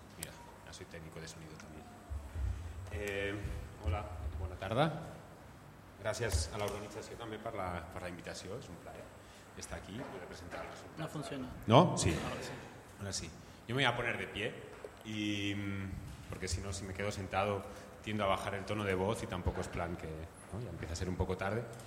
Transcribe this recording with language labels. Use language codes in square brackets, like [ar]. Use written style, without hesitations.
[es] Mira, ya soy técnico de sonido también. [ca] Hola, bona tarda. Gràcies a l'organització també per la invitació. És un plaer estar aquí i representar els resultats. [es] No funciona. No? Sí. Ahora sí. Yo me voy a poner de pie, y porque si no, si me quedo sentado, tiendo a bajar el tono de voz y tampoco es plan que, ¿no? Ya empieza a ser un poco tarde.